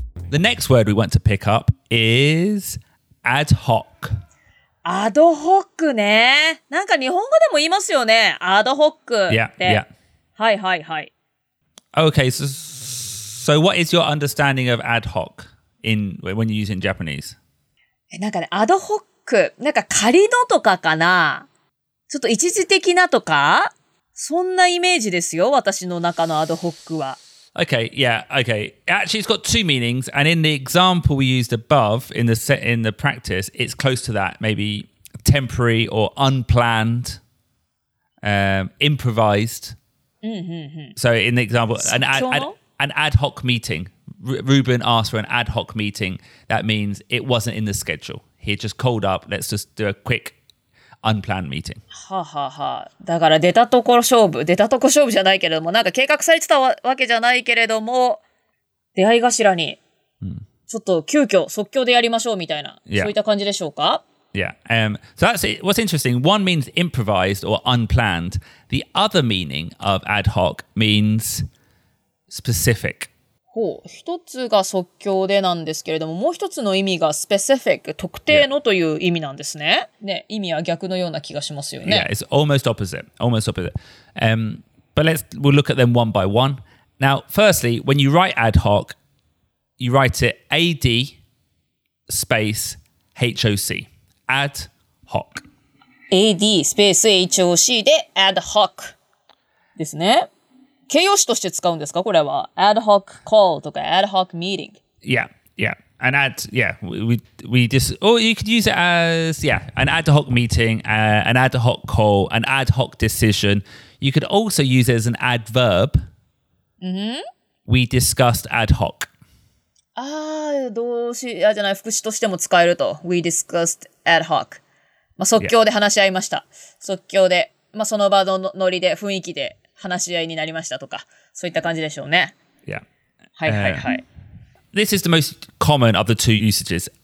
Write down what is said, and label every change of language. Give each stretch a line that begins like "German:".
English: The next word we want to pick up is ad hoc.
Japanese: アドホックね。なんか日本語でも言いますよね。アドホックって。
English: Yeah, yeah.
Japanese: はいはいはい。
English: Okay, so what is your understanding of ad hoc in, when you use it in Japanese?
Japanese: なんかね、アドホック。なんか仮のとかかな。ちょっと一時的なとか。そんなイメージですよ、私の中のアドホックは。
English: Okay, yeah, okay. Actually, it's got two meanings. And in the example we used above, in the practice, it's close to that. Maybe temporary or unplanned, improvised. Mm-hmm. So in the example, an ad hoc meeting. Ruben asked for an ad hoc meeting. That means it wasn't in the schedule. He just called up. Let's just do a quick unplanned meeting.
Japanese: はははだから出たところ勝負出たところ勝負じゃないけれどもなんか計画されてたわけじゃないけれども出会い頭にちょっと急遽即興でやりましょうみたいな、
English: yeah.
Japanese: そういった感じでしょうか
English: Yeah. So that's it. What's interesting, one means improvised or unplanned. The other meaning of ad hoc means specific.
Japanese: ほう、一つが即興でなんですけれども、もう一つの意味が specific、特定のという意味なんですね。ね、意味は逆のような気がしますよね。
English: Yeah, it's almost opposite, almost opposite. But we'll look at them one by one. Now, firstly, when you write ad hoc, you write it AD space HOC, ad hoc.
Japanese: AD スペース HOC で ad hoc ですね。形容詞として使うんですかこれは ad hoc call とか ad hoc meeting
English: yeah yeah an ad yeah we just or you could use it as yeah an ad hoc meeting an ad hoc call an ad hoc decision you could also use it as an adverb mm-hmm. we discussed ad hoc
Japanese: ああ動詞じゃない副詞としても使えると
English: we discussed ad hoc
Japanese: まあ即興で話し合いました、
English: yeah.
Japanese: 即興でまあその場のノリで雰囲気で話し合いになりましたとか、そういった感じでしょうね。
English: Yeah.
Japanese: はいはいはい。
English: This is the most common of the two usages.